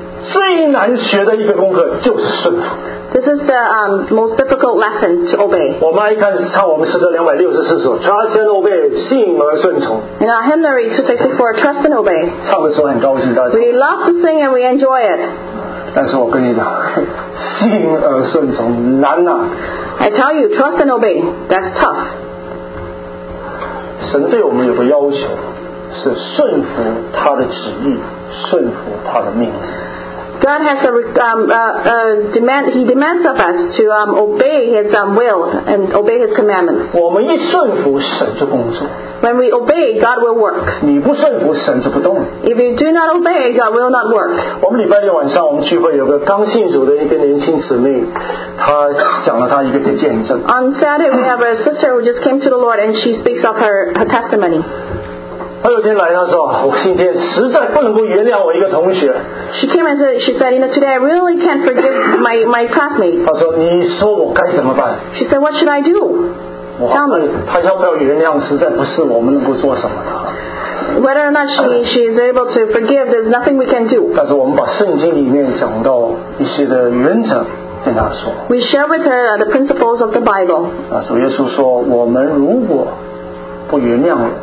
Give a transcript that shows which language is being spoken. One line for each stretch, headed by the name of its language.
Chinese: 最难学的一个功课就是顺服。
English: This is the most difficult lesson to obey.
Chinese: 我们来看唱我们诗歌264首 Trust and obey, 信而顺从
English: In our hymn 264, Trust and obey.
Chinese: 唱的时候很高兴大家
English: We love to sing and we enjoy it.
Chinese: 但是我跟你讲信而顺从难啊
English: I tell you, trust and obey, that's tough.
Chinese: 神对我们有个要求是顺服他的旨意顺服他的命令
English: God has demands of us to obey His will and obey His commandments.
Chinese: 我们一顺服神就工作。
English: When we obey, God will work.
Chinese: 你不顺服神就不动。
English: If you do not obey, God will not work.
Chinese: 我们礼拜六晚上我们聚会有个刚信主的一个年轻姊妹，她讲了她一个的见证。
English: On Saturday, we have a sister who just came to the Lord, and she speaks of her testimony.
Chinese: 她有天来她说我今天实在不能够原谅我一个同学。
English: She came and said, you know, today I really can't forgive my classmate.
Chinese: 她说你说我该怎么办
English: She said, what should I do? Tell me.
Chinese: 她要不要原谅实在不是我们能够做什么的。
English: Whether or not she is able to forgive, there's nothing we can do.
Chinese: 但是我们把圣经里面讲到一些的原则跟她说。
English: We share with her the principles of the Bible.
Chinese: 啊，主耶稣说我们如果不原谅